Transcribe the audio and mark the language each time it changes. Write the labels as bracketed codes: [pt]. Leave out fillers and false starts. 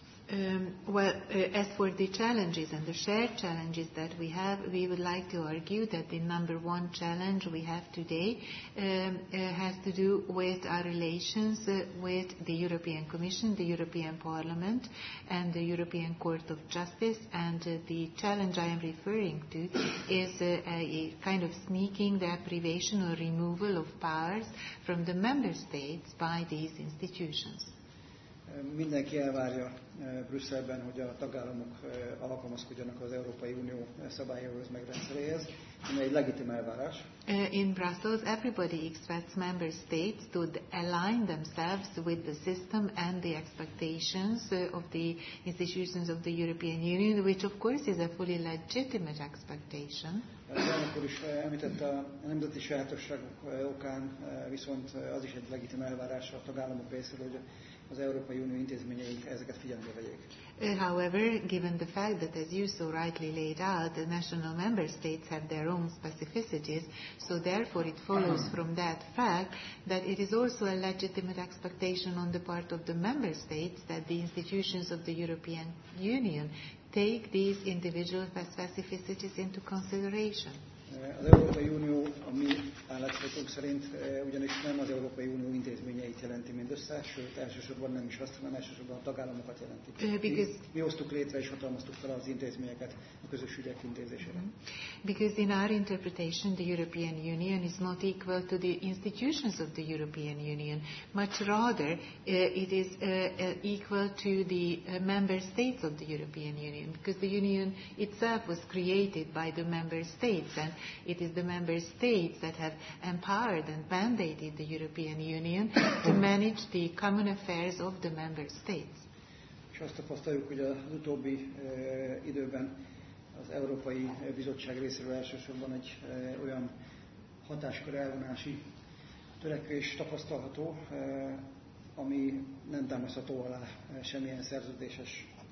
[en] As for the challenges and the shared challenges that we have, we would like to argue that the number one challenge we have today has to do with our relations with the European Commission, the European Parliament, and the European Court of Justice. And the challenge I am referring to is a kind of sneaking deprivation or removal of powers from the member states by these institutions. [hu] Mindenki elvárja Brüsszelben, hogy a tagállamok alkalmazkodjanak az Európai Unió szabályához meg rendszeréhez, ami egy legitim elvárás. [en] In Brussels, everybody expects member states to align themselves with the system and the expectations of the institutions of the European Union, which of course is a fully legitimate expectation. [hu] Akkor is említette a nemzeti sajátosságok okán, viszont az is egy legitim elvárás a tagállamok részéről, hogy az Európai Unió intézményeik ezeket figyelembe vegyék. [en] However, given the fact that, as you so rightly laid out, the national member states have their own specificities, so therefore it follows from that fact that it is also a legitimate expectation on the part of the member states that the institutions of the European Union take these individual specificities into consideration. [hu] Az Európai Unió, a mi álláspontunk szerint, ugyanis nem az Európai Unió intézményeit jelenti mindössze, sőt, elsősorban nem is azt, hanem elsősorban a tagállamokat jelenti. Mi hoztuk létre és hatalmaztuk fel az intézményeket a közös ügyek intézésére. [en] Because in our interpretation, the European Union is not equal to the institutions of the European Union, much rather it is equal to the member states of the European Union, because the Union itself was created by the member states. It is the member states that have empowered and mandated the European Union to manage the common affairs of the member states. [hu] És azt tapasztaljuk, hogy az utóbbi időben az Európai Bizottság részéről elsősorban egy olyan hatáskör elvonási törekvés tapasztalható, ami nem támaszható alá semmilyen szerződéses